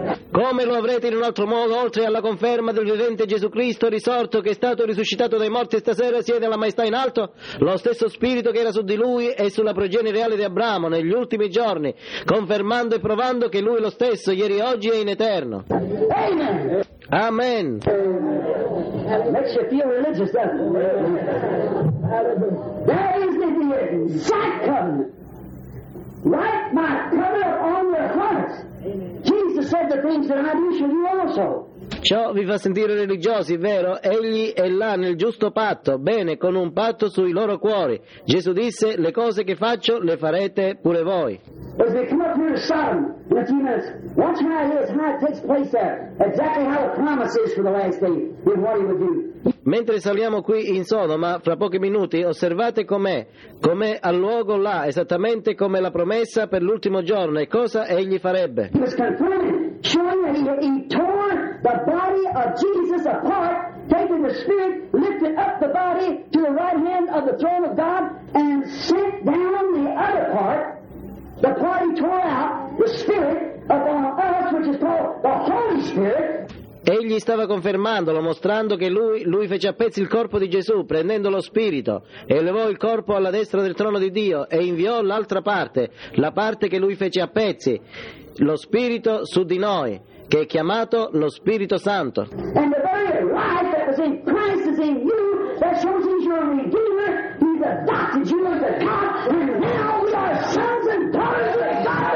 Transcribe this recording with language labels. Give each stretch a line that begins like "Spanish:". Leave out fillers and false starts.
Italian: Come lo avrete in un altro modo, oltre alla conferma del vivente Gesù Cristo risorto, che è stato risuscitato dai morti e stasera siede alla maestà in alto? Lo stesso spirito che era su di lui e sulla progenie reale di Abramo negli ultimi giorni, confermando e provando che lui è lo stesso, ieri, oggi e in eterno. Amen. Amen.
English: Makes you feel religious, doesn't it? That is the exact covenant. Write my covenant on your heart. Jesus said the things that I do shall you also.
Italian: Ciò vi fa sentire religiosi, vero? Egli è là nel giusto patto, bene, con un patto sui loro cuori. Gesù disse, le cose che faccio le farete pure voi.
English: As we come up here to Sodom in a few minutes, watch how it is, how it takes place there. Exactly how the promise is for the last day with what he would do.
Italian: Mentre saliamo qui in Sodoma, fra pochi minuti, osservate com'è al luogo là, esattamente come la promessa per l'ultimo giorno, e cosa egli farebbe.
English: He was confirming, showing that he tore the body of Jesus apart, taking the spirit, lifted up the body to the right hand of the throne of God, and sent down the other part, the part he tore out, the spirit, upon us, which is called the Holy Spirit.
Italian: Egli stava confermandolo, mostrando che lui fece a pezzi il corpo di Gesù, prendendo lo spirito, e elevò il corpo alla destra del trono di Dio, e inviò l'altra parte, la parte che lui fece a pezzi, lo spirito su di noi, che è chiamato lo Spirito Santo.
English: And the very life that was in Christ is in you, that shows he's your Redeemer, he's adopted you as a God, and now we are sons and daughters of God.